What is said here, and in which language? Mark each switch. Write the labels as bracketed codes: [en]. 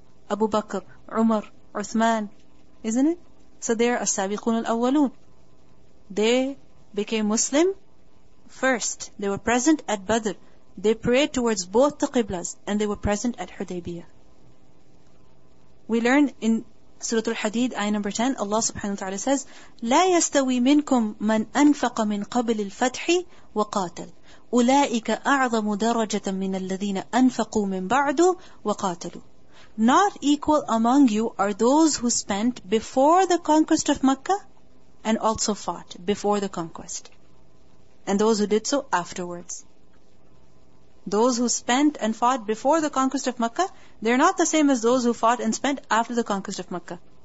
[en] Abu Bakr, Umar, Uthman, isn't it? So they are as-sabiqun al-awwalun. They became Muslim first. They were present at Badr. They prayed towards both the Qiblas, and they were present at Hudaybiyah. We learn in Surah Al-Hadid, ayah number 10, Allah subhanahu wa ta'ala says, [ar] لَا يَسْتَوِي مِنْكُمْ مَنْ أَنْفَقَ مِنْ قَبْلِ الْفَتْحِ وَقَاتَلْ أُولَٰئِكَ أَعْظَمُ دَرَجَةً مِنَ الَّذِينَ أَنْفَقُوا مِنْ بَعْدُ وَقَاتَلُوا. [en] Not equal among you are those who spent before the conquest of Mecca and also fought before the conquest, and those who did so afterwards. Those who spent and fought before the conquest of Mecca, they're not the same as those who fought and spent after the conquest of Mecca.